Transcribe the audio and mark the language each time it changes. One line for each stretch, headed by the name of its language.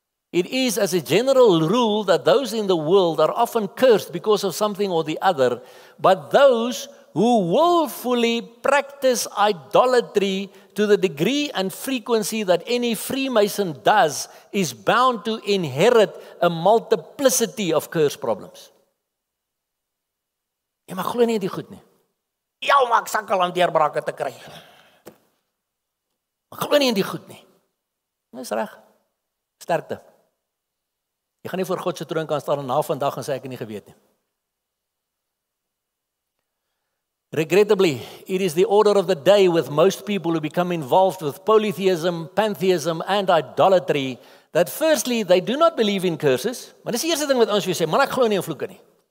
English: It is as a general rule that those in the world are often cursed because of something or the other, but those who willfully practice idolatry to the degree and frequency that any Freemason does is bound to inherit a multiplicity of curse problems.
Afrikaans: Jy mag glo nie die goed nie. Ja, maar ek sakkel om deurbrake te kry. Maar glo nie die goed nie. Dis reg. Sterkte. Jy gaan nie voor God se troon kan staan na vandag en sê ek nie geweet nie.
English: Regrettably, it is the order of the day with most people who become involved with polytheism, pantheism and idolatry that firstly, they do not believe in curses.
Afrikaans: Maar dis die eerste ding wat ons vir sê, maar ek glo nie in vloeke nie.